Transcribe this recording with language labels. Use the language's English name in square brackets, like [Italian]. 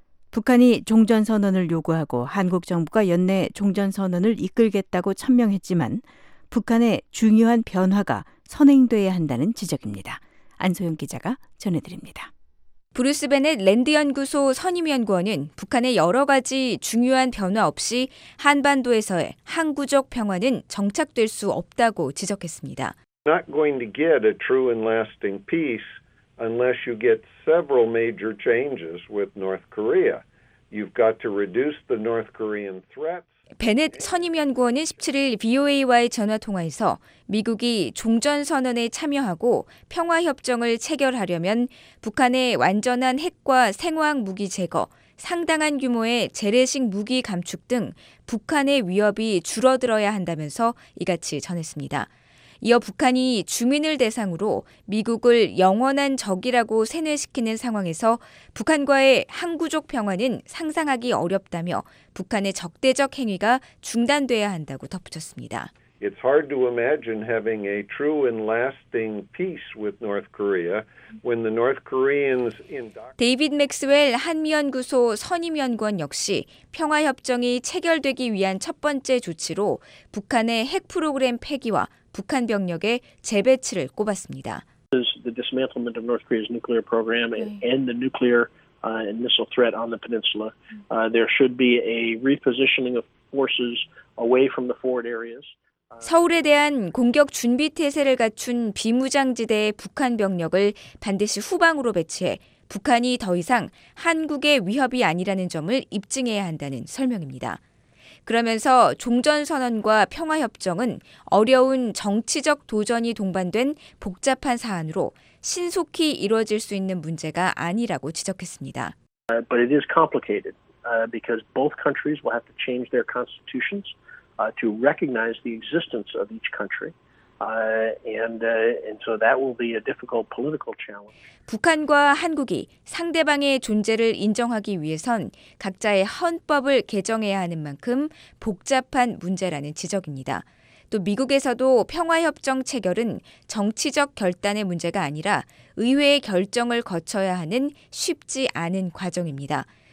[Korean] 북한이 종전선언을 요구하고 한국 정부가 연내 종전선언을 이끌겠다고 천명했지만 북한의 중요한 변화가 선행돼야 한다는 지적입니다. 안소영 기자가 전해드립니다. 브루스 베넷 랜드연구소 선임연구원은 북한의 여러 가지 중요한 변화 없이 한반도에서의 항구적 평화는 정착될 수 없다고 지적했습니다. [English] Not going to get a true and lasting peace unless you get several major changes with North Korea. You've got to reduce the North Korean threats. [Korean] 베넷 선임연구원은 17일 VOA와의 전화통화에서 미국이 종전선언에 참여하고 평화협정을 체결하려면 북한의 완전한 핵과 생화학 무기 제거, 상당한 규모의 재래식 무기 감축 등 북한의 위협이 줄어들어야 한다면서 이같이 전했습니다. 이어 북한이 주민을 대상으로 미국을 영원한 적이라고 세뇌시키는 상황에서 북한과의 항구적 평화는 상상하기 어렵다며 북한의 적대적 행위가 중단돼야 한다고 덧붙였습니다. [English] It's hard to imagine having a true and lasting peace with North Korea when the North Koreans in [Korean] 데이빗 맥스웰 한미연구소 선임연구원 역시 평화협정이 체결되기 위한 첫 번째 조치로 북한의 핵 프로그램 폐기와 북한 병력의 재배치를 꼽았습니다. [English] The dismantlement of North Korea's nuclear program and the nuclear and missile threat on the peninsula. There should be a repositioning of forces away from the forward areas. [Korean] 서울에 대한 공격 준비 태세를 갖춘 비무장지대의 북한 병력을 반드시 후방으로 배치해 북한이 더 이상 한국의 위협이 아니라는 점을 입증해야 한다는 설명입니다. 그러면서 종전선언과 평화협정은 어려운 정치적 도전이 동반된 복잡한 사안으로 신속히 이루어질 수 있는 문제가 아니라고 지적했습니다. [English] But it is complicated because both countries will have to change their constitutions to recognize the existence of each country. And so that will be a difficult political challenge. [Korean] 북한과 한국이 상대방의 존재를 인정하기 위해선 각자의 헌법을 개정해야 하는 만큼 복잡한 문제라는 지적입니다. 또 미국에서도 평화협정 체결은 정치적 결단의 문제가 아니라 의회의 결정을 거쳐야 하는 쉽지 않은 과정입니다.